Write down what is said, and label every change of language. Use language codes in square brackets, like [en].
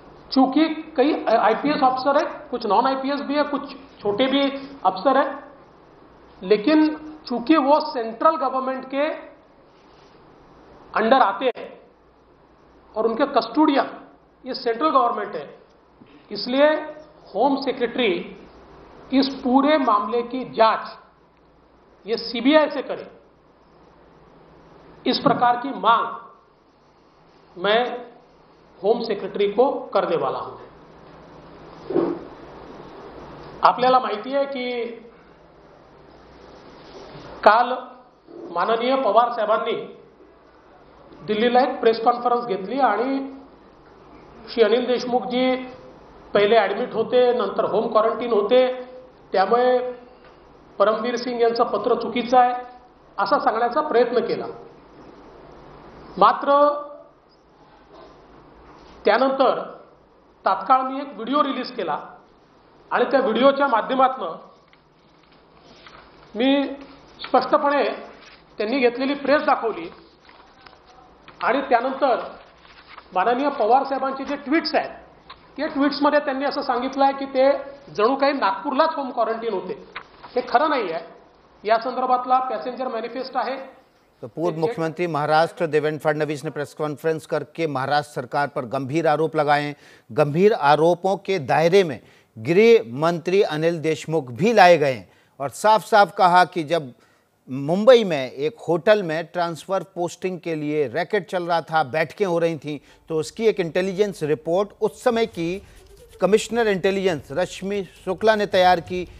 [hi] चूंकि कई आईपीएस अफसर है, कुछ नॉन आईपीएस भी है, कुछ छोटे भी अफसर है, लेकिन चूंकि वो सेंट्रल गवर्नमेंट के अंडर आते हैं और उनके कस्टोडियन ये सेंट्रल गवर्नमेंट है, इसलिए होम सेक्रेटरी इस पूरे मामले की जांच ये सीबीआई से करे। इस प्रकार की मांग मैं होम सेक्रेटरी को करने वाला हूं। [mr] आपल्याला माहिती है कि काल माननीय पवार साहेबांनी दिल्लीला एक प्रेस कॉन्फरन्स घेतली आणि श्री अनिल देशमुख जी पहिले ऍडमिट होते, नंतर होम क्वारंटीन होते, त्यामुळे परमवीर सिंग यांचं पत्र चुकीचं आहे असं सांगण्याचा प्रयत्न केला। मात्र त्यानंतर तात्काळ मी एक व्हिडिओ रिलीज केला आणि त्या व्हिडिओच्या माध्यमातून मी स्पष्टपणे त्यांनी घेतलेली प्रेस दाखवली आणि त्यानंतर माननीय पवार साहेबांचे जे ट्वीट्स आहेत त्या ट्वीट्समध्ये त्यांनी असं सांगितलं आहे की ते जणू काही नागपूरलाच होम क्वारंटीन होते, हे खरं नाही आहे। या संदर्भातला पॅसेंजर मॅनिफेस्ट आहे। [hi] तो पूर्व मुख्यमंत्री महाराष्ट्र देवेंद्र फडणवीस ने प्रेस कॉन्फ्रेंस करके महाराष्ट्र सरकार पर गंभीर आरोप लगाए। गंभीर आरोपों के दायरे में गृह मंत्री अनिल देशमुख भी लाए गए और साफ साफ कहा कि जब मुंबई में एक होटल में ट्रांसफर पोस्टिंग के लिए रैकेट चल रहा था, बैठकें हो रही थी, तो उसकी एक इंटेलिजेंस रिपोर्ट उस समय की कमिश्नर इंटेलिजेंस रश्मि शुक्ला ने तैयार की।